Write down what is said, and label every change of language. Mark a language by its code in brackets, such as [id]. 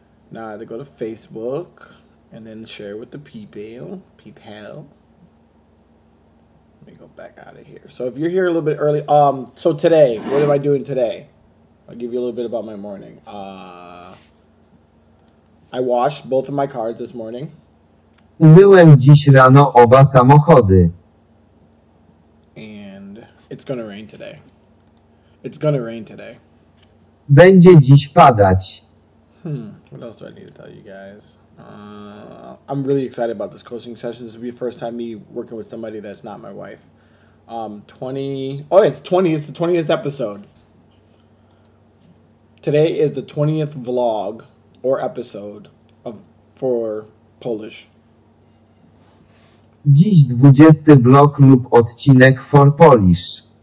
[en] Now I have to go to Facebook. And then share with the people. People. Let me go back out of here. So if you're here a little bit early. So today. What am I doing today? I'll give you a little bit about my morning. I washed both of my cars this morning. [pl] Umyłem dziś rano oba samochody. [en] It's gonna rain today. It's gonna rain today. [pl] Będzie dziś padać. [en] What else do I need to tell you guys? I'm really excited about this coaching session. This will be the first time me working with somebody that's not my wife. It's the 20th episode. Today is the 20th vlog or episode for Polish. [pl] Dziś 20 vlog lub odcinek [en] for Polish.